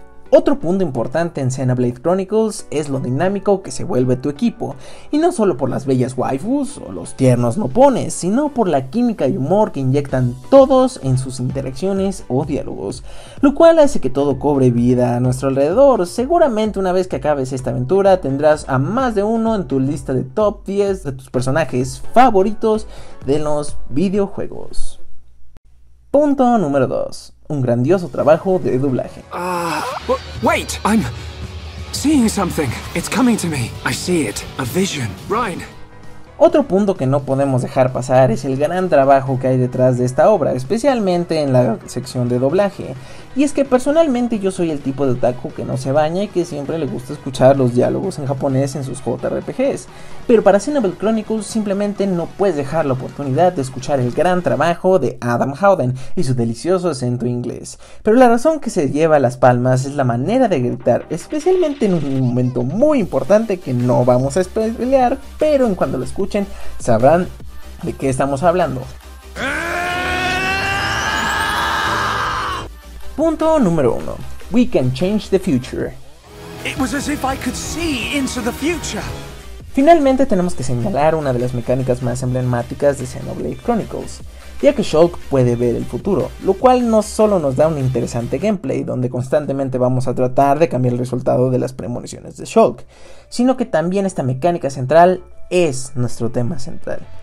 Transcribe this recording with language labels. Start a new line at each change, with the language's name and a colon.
Spanish: Otro punto importante en Xenoblade Chronicles es lo dinámico que se vuelve tu equipo, y no solo por las bellas waifus o los tiernos nopones, sino por la química y humor que inyectan todos en sus interacciones o diálogos, lo cual hace que todo cobre vida a nuestro alrededor. Seguramente una vez que acabes esta aventura tendrás a más de uno en tu lista de top 10 de tus personajes favoritos de los videojuegos. Punto número 2. Un grandioso trabajo de doblaje.
English: Wait, I'm seeing something. It's coming to me. I see it. A vision. Ryan.
Spanish: Otro punto que no podemos dejar pasar es el gran trabajo que hay detrás de esta obra, especialmente en la sección de doblaje. Y es que personalmente yo soy el tipo de otaku que no se baña y que siempre le gusta escuchar los diálogos en japonés en sus JRPGs. Pero para Xenoblade Chronicles simplemente no puedes dejar la oportunidad de escuchar el gran trabajo de Adam Howden y su delicioso acento inglés. Pero la razón que se lleva las palmas es la manera de gritar, especialmente en un momento muy importante que no vamos a spoilear, pero en cuanto lo escuchen sabrán de qué estamos hablando. Punto número 1.
English: We can change the future. It was as if I could see into the future.
Spanish: Finalmente tenemos que señalar una de las mecánicas más emblemáticas de Xenoblade Chronicles, ya que Shulk puede ver el futuro, lo cual no solo nos da un interesante gameplay donde constantemente vamos a tratar de cambiar el resultado de las premoniciones de Shulk, sino que también esta mecánica central es nuestro tema central.